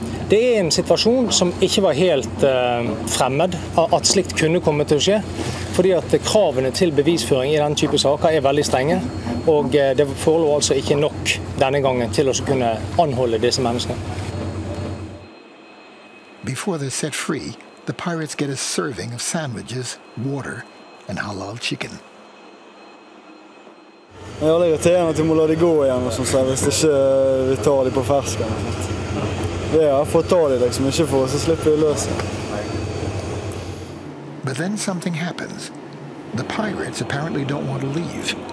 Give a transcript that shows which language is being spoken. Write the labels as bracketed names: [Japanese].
[Norwegian] Det er en situasjon som ikke var helt fremmed av at slikt kunne komme til å skje. Fordi at kravene til bevisføring i denne type saker er veldig strenge. Og det forelå altså ikke nok denne gangen til å kunne anholde disse menneskene. [English] Before they're set free, the pirates get a serving of sandwiches, water and halal chicken. [Norwegian] Jeg er irriterende at vi må la dem gå igjen og sånn, hvis ikke vi ikke tar dem på fersken. Det er for å ta dem, liksom. Ikke for oss, så slipper vi løse. [English] But then something happens. The pirates apparently don't want to leave.